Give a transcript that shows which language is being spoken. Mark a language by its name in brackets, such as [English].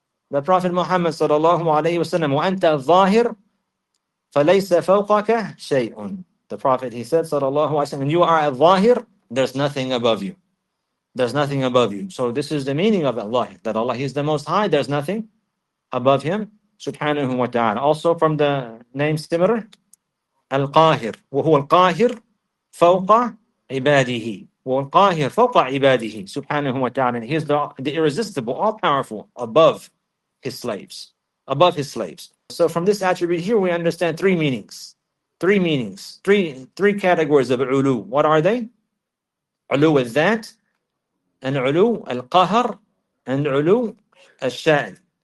[English] The Prophet Muhammad sallallahu alayhi wa sallam, [Arabic] وَأَنْتَ الظَّاهِرُ فَلَيْسَ فَوْقَكَ شَيْءٌ [English] The Prophet, he said sallallahu alayhi wa sallam, you are al-Zahir, there's nothing above you. There's nothing above you. So this is the meaning of Allah, that Allah is the most high. There's nothing above him. Subhanahu wa ta'ala. Also from the name similar, Al-Qahir. [Arabic] وَهُوَ الْقَاهِرُ فَوْقَ عِبَادِهِ وَهُوَ الْقَاهِرُ فَوْقَ عِبَادِهِ Subhanahu wa ta'ala. [English] He is the irresistible, all-powerful, above his slaves. Above his slaves. So from this attribute here, we understand three meanings. Three meanings. Three categories of ulu. What are they? Ulu is that. And ulu al-qahar and ulu al-sha'n.